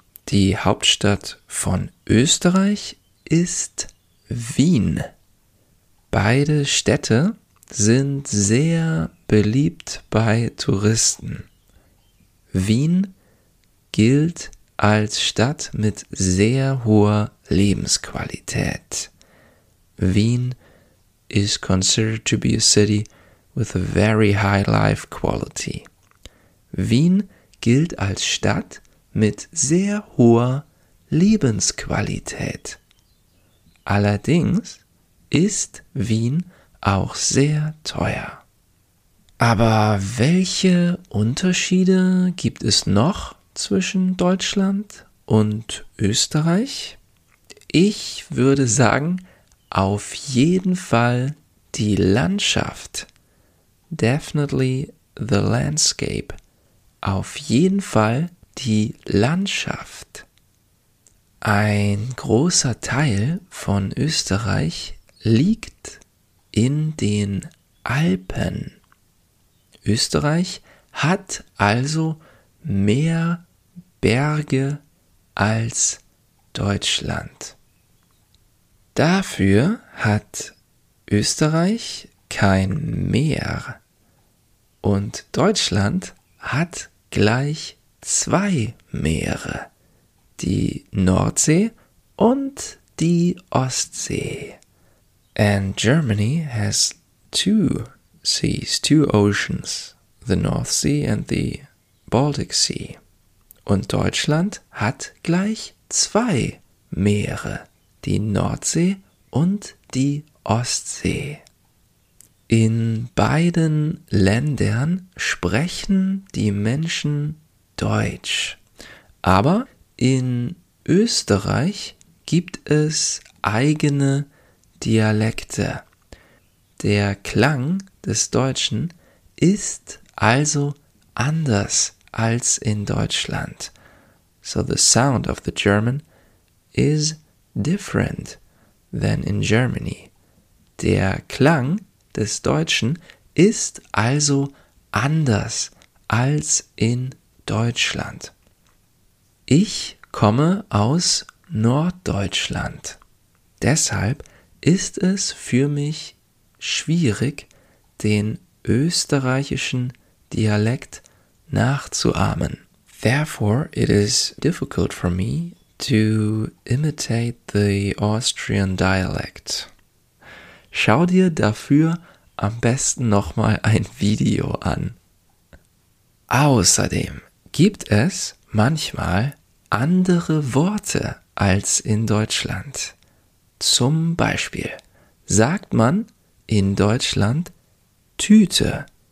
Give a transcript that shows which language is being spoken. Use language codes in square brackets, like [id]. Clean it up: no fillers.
[de] Die Hauptstadt von Österreich ist Wien. Beide Städte sind sehr beliebt bei Touristen. Wien gilt als Stadt mit sehr hoher Lebensqualität. [en] Wien is considered to be a city with a very high life quality. [de] Wien gilt als Stadt mit sehr hoher Lebensqualität. Allerdings ist Wien auch sehr teuer. Aber welche Unterschiede gibt es noch zwischen Deutschland und Österreich? Ich würde sagen, auf jeden Fall die Landschaft. [en] Definitely the landscape. [de] Auf jeden Fall die Landschaft. Ein großer Teil von Österreich liegt in den Alpen. Österreich hat also mehr Berge als Deutschland. Dafür hat Österreich kein Meer und Deutschland hat gleich zwei Meere, die Nordsee und die Ostsee. [en] And Germany has two seas, two oceans, the North Sea and the Baltic Sea. [de] Und Deutschland hat gleich zwei Meere, die Nordsee und die Ostsee. In beiden Ländern sprechen die Menschen Deutsch. Aber in Österreich gibt es eigene Dialekte. Der Klang des Deutschen ist also anders als in Deutschland. [en] So the sound of the German is different than in Germany. [de] Der Klang des Deutschen ist also anders als in Deutschland. Ich komme aus Norddeutschland. Deshalb ist es für mich schwierig, den österreichischen Dialekt nachzuahmen. [en] Therefore, it is difficult for me to imitate the Austrian dialect. [de] Schau dir dafür am besten nochmal ein Video an. Außerdem gibt es manchmal andere Worte als in Deutschland. Zum Beispiel sagt man in Deutschland Tüte.